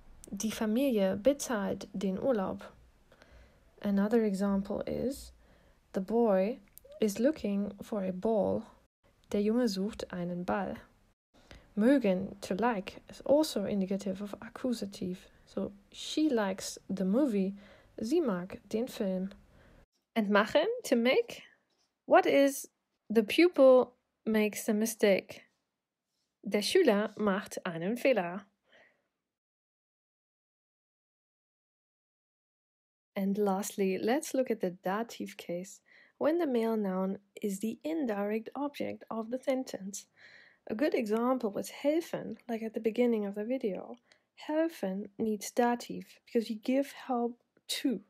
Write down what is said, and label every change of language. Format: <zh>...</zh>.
<de>Die Familie bezahlt den Urlaub.</de> <en>Another example is the boy is looking for a ball.</en> <de>Der Junge sucht einen Ball.</de> <en>Mögen, to like, is also indicative of accusative. So, she likes the movie,</en> <de>sie mag den Film.</de> <en>And machen, to make? What is the pupil makes a mistake?</en> <de>Der Schüler macht einen Fehler.</de> <en>And lastly, let's look at the dative case, when the male noun is the indirect object of the sentence. A good example was helfen, like at the beginning of the video. Helfen needs Dativ because you give help to.</en>